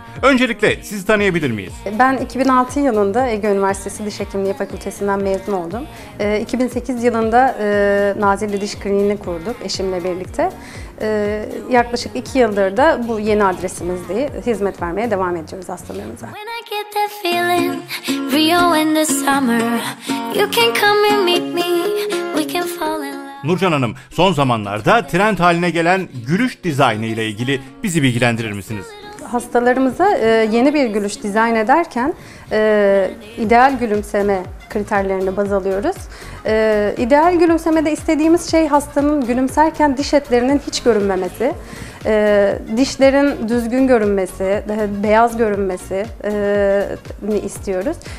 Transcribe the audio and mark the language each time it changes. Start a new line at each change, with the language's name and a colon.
Turkish: Öncelikle sizi tanıyabilir miyiz? Ben 2006 yılında Ege Üniversitesi Diş Hekimliği Fakültesinden mezun oldum. 2008 yılında Nazilli Diş Kliniği'ni kurduk eşimle birlikte. Yaklaşık 2 yıldır da bu yeni adresimizde hizmet vermeye devam ediyoruz hastalarımıza.
English: When I get the feeling, Rio in the summer, you can come and meet me, we can fall in.
Turkish: Nurcan Hanım, son zamanlarda trend haline gelen gülüş dizaynı ile ilgili bizi bilgilendirir misiniz? Hastalarımıza yeni bir gülüş dizayn ederken ideal gülümseme kriterlerini baz alıyoruz. İdeal gülümsemede istediğimiz şey hastanın gülümserken diş etlerinin hiç görünmemesi, dişlerin düzgün görünmesi, beyaz görünmesini istiyoruz.